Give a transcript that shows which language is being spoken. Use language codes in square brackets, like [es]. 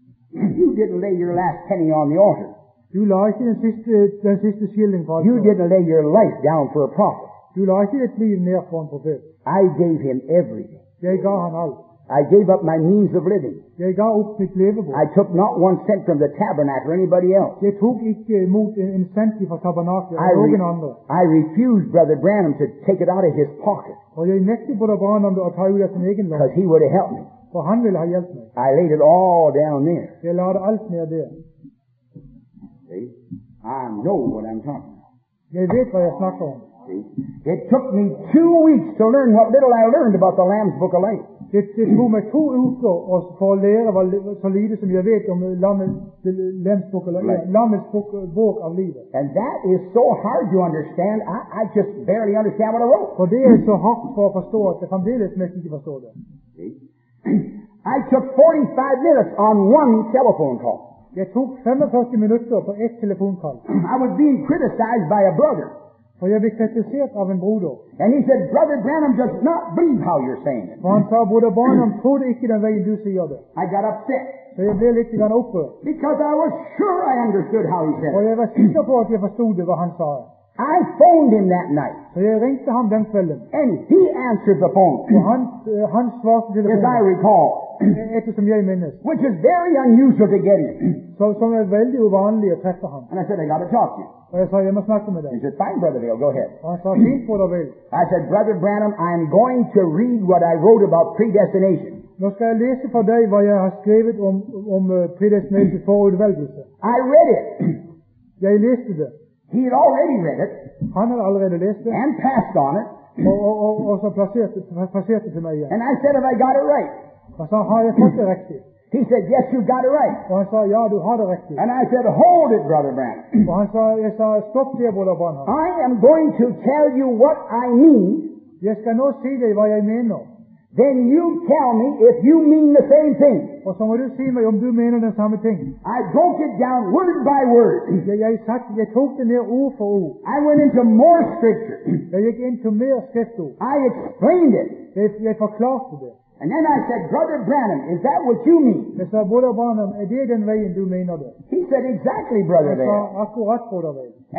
[en] You didn't lay your last penny on the altar. [da] Du la ikke den siste skilling på altar. [en] You didn't lay your life down for a prophet. [da] Du la ikke ditt liv ned for en profet. [en] I gave him everything. [da] Jeg ga han alt. [en] I gave up my means of living. [da] Jeg gav op mit levebrød. [en] I took not one cent from the tabernacle or anybody else. [da] Jeg tog ikke imod en cent fra tabernaklet eller nogen andre. [en] I refused Brother Branham to take it out of his pocket. [da] Og jeg nægtede Brother Branham at tage ud af sin egen lomme. [en] Because he would have helped me. [da] For han ville have hjulpet mig. [en] I laid it all down there. [da] Jeg lagde alt ned der. [en] See? I know what I'm talking about. [da] Jeg ved hvad jeg snakker om. [en] See? It took me 2 weeks to learn what little I learned about the Lamb's Book of Life. [da] Det tog mig 2 uger for at lære så lidt som jeg ved om Lammets bog af livet. [en] And that is so hard to understand. I just barely understand what I wrote. [da] For det er så hårdt for at forstå at det fremdeles næsten ikke forstår det. [en] I took 45 minutes on one telephone call. [da] Jeg tog 45 minutter på et telefonkald. [en] I was being criticized by a brother. [da] For jeg blev kritiseret af en bruder. [en] And he said, Brother Branham does not believe how you're saying it. [da] Han sagde, Brother Branham tror ikke den vej du siger det. [en] I got upset. [da] Så jeg blev lidt oprørt. [en] Because I was sure I understood how he said it. [da] Og jeg var sikker på at jeg forstod det, hvad han sagde. [en] I phoned him that night. [da] Så jeg ringte ham den kvelden. [en] And he answered the phone. [da] Han svarede til telefonen. [en] As I recall. [da] Eftersom jeg mindes. [en] Which is very unusual to get him. [da] Som er veldig uvanlig at træffe ham. [en] And I said, I got to talk to you. [da] Og jeg sagde, jeg må snakke med dig. [en] He said, fine, Brother Vale, go ahead. [da] Og han sagde, fint, Brother Vale. [en] I said, Brother Branham, I'm going to read what I wrote about predestination. [da] Nu skal jeg læse for dig, hvad jeg har skrevet om predestination forudvælgelse. [en] I read it. [da] Jeg læste det. [en] He had already read it. [da] Han havde allerede læst det. [en] And passed on it. [da] Og så placerede det til mig igen. [en] And I said, have I got it right? [da] Og så har jeg fået det rigtigt. [en] He said, yes, you got it right. [da] Og han sagde, ja, du har det rigtigt. [en] And I said, hold it, Brother Branham. [da] Og han sagde, jeg sagde, stop der, Brother Branham. [en] I am going to tell you what I mean. [da] Jeg skal nu sige dig, hvad jeg mener. [en] Then you tell me if you mean the same thing. [da] Og så må du sige mig, om du mener den samme ting. [en] I broke it down word by word. [da] Jeg tog det ned ord for ord. [en] I went into more scripture. [da] Jeg gik into mere skriftord. [en] I explained it. [da] Jeg forklarede det. [en] And then I said, Brother Branham, is that what you mean? [da] Jeg sagde, Brother Branham, er det den vejen du mener det? [en] He said, exactly, Brother Branham. [da] Jeg sagde, akkurat, Brother Branham.